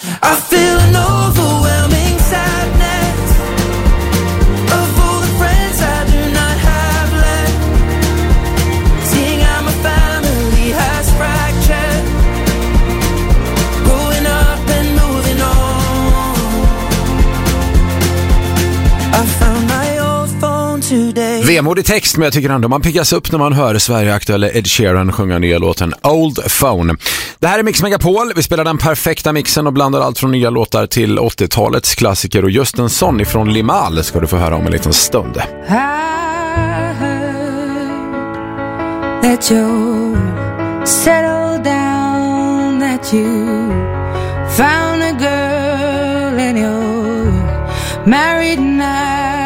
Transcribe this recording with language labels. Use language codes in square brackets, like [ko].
[en] I feel an overwhelming sadness of all the friends I do not have left. Seeing how my family has fractured, growing up and moving on. I found my old phone today. [sv] Vemodig text, men jag tycker ändå man piggas upp när man hör Sverigeaktuelle Ed Sheeran sjunga nya låten Old Phone. Det här är Mix Megapol. Vi spelar den perfekta mixen och blandar allt från nya låtar till 80-talets klassiker. Och just en sån ifrån Limahl ska du få höra om en liten stund. [en] I heard that you settled down, that you found a girl and you married now.